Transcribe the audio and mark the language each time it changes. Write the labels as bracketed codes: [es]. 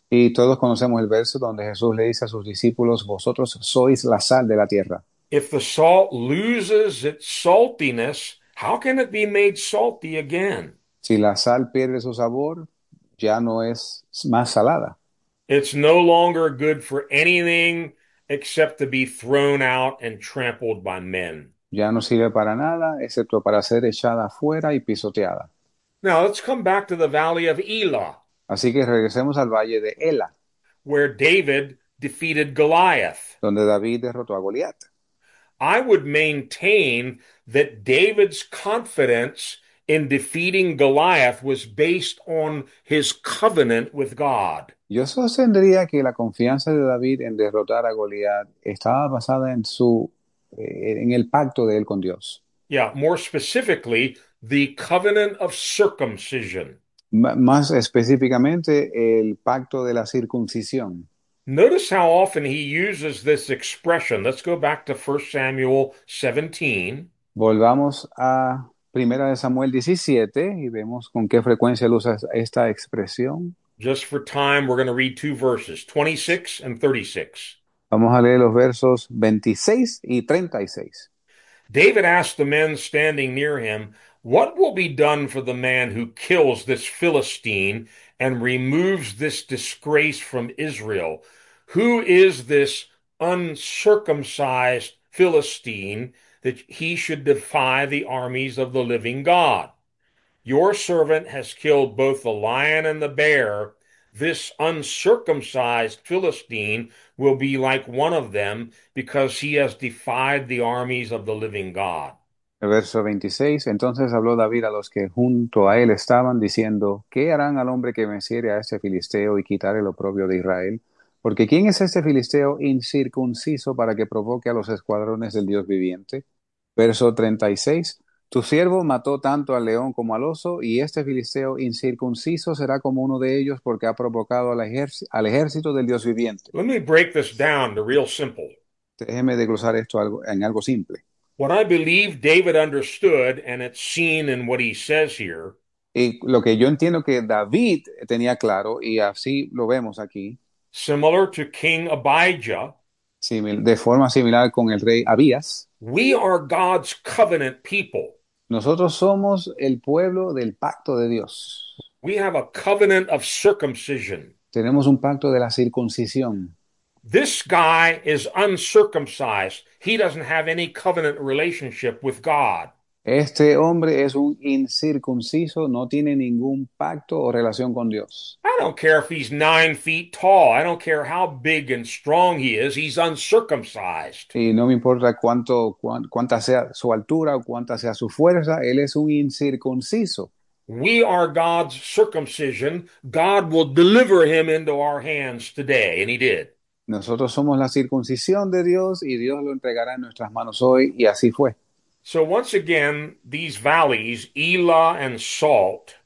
[es] Y todos conocemos el verso donde Jesús le dice a sus discípulos, vosotros sois la sal de la tierra. [en] If the salt loses its saltiness, how can it be made salty again? [es] Si la sal pierde su sabor, ya no es más salada. [en] It's no longer good for anything except to be thrown out and trampled by men. [es] Ya no sirve para nada, excepto para ser echada fuera y pisoteada. [en] Now let's come back to the Valley of Elah, [es] Así que regresemos al valle de Ela, [en] where David defeated Goliath. [es] donde David derrotó a Goliat. [en] I would maintain that David's confidence in defeating Goliath was based on his covenant with God. [es] Yo sostendría que la confianza de David en derrotar a Goliat estaba basada en en el pacto de él con Dios. [en] Yeah, more specifically, the covenant of circumcision. [es] Más específicamente, el pacto de la circuncisión. [en] Notice how often he uses this expression. Let's go back to 1 Samuel 17. [es] Volvamos a Primera de Samuel 17 y vemos con qué frecuencia él usa esta expresión. [en] Just for time, we're going to read two verses, 26 and 36. [es] Vamos a leer los versos 26 y 36. [en] David asked the men standing near him, "What will be done for the man who kills this Philistine and removes this disgrace from Israel? Who is this uncircumcised Philistine that he should defy the armies of the living God? Your servant has killed both the lion and the bear. This uncircumcised Philistine will be like one of them because he has defied the armies of the living God." [es] Verso 26. Entonces habló David a los que junto a él estaban, diciendo: ¿Qué harán al hombre que venciere a este filisteo y quitar el oprobio de Israel? Porque ¿quién es este filisteo incircunciso para que provoque a los escuadrones del Dios viviente? Verso 36. Tu siervo mató tanto al león como al oso, y este filisteo incircunciso será como uno de ellos porque ha provocado al ejército del Dios viviente. [en] Let me break this down to real simple. [es] Déjeme desglosar esto en algo simple. [en] What I believe David understood, and it's seen in what he says here, [es] Y lo que yo entiendo que David tenía claro, y así lo vemos aquí, [en] similar to King Abijah, [es] de forma similar con el rey Abías, [en] we are God's covenant people. [es] nosotros somos el pueblo del pacto de Dios. [en] We have a covenant of circumcision. [es] Tenemos un pacto de la circuncisión. [en] This guy is uncircumcised. He doesn't have any covenant relationship with God. [es] Este hombre es un incircunciso, no tiene ningún pacto o relación con Dios. [en] I don't care if he's 9 feet tall. I don't care how big and strong he is. He's uncircumcised. [es] Y no me importa cuánta sea su altura o cuánta sea su fuerza, él es un incircunciso. [en] We are God's circumcision. God will deliver him into our hands today, and he did. [es] Nosotros somos la circuncisión de Dios y Dios lo entregará en nuestras manos hoy y así fue. [en] So once again, these valleys, Elah and Salt,